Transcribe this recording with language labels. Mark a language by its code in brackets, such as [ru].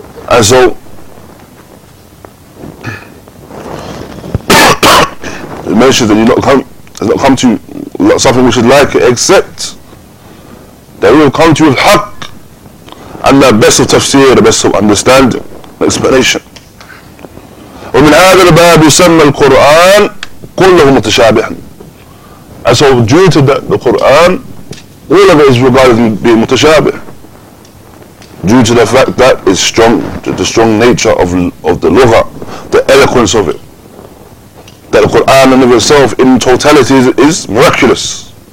[en] And so it mentions that has not come to you something which is like it, except that we have come to you with haqq and the best of tafsir, the best of understanding, explanation. [ar] ومن هذا الباب يسمى القرآن كله متشابها. [en] And so due to that, the Quran, all of it is regarded as being mutashabih. Due to the fact that it's strong, the strong nature of the lugha, the eloquence of it. That the Quran in of itself in totality is miraculous.